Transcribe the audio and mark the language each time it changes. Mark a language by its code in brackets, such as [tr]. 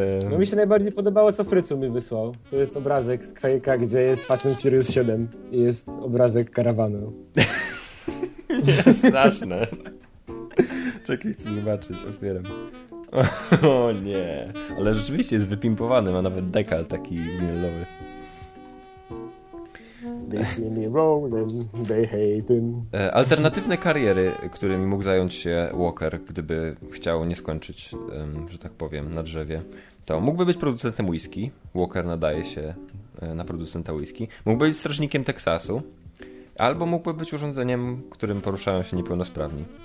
[pl] No mi się najbardziej podobało, co Frycu mi wysłał. To jest obrazek z Quake'a, gdzie jest Fast and Furious 7 i jest obrazek karawanu. Straszne. Czekaj, chcę zobaczyć, otwieram. O nie. Ale rzeczywiście jest wypimpowany, ma nawet dekal taki winylowy. [en] They see me rolling, they hate him. [pl] Alternatywne kariery, którymi mógł zająć się Walker, gdyby chciał nie skończyć, że tak powiem, na drzewie, to mógłby być producentem whisky. Walker nadaje się na producenta whisky. Mógłby być strażnikiem Teksasu. Albo mógłby być urządzeniem, którym poruszają się niepełnosprawni.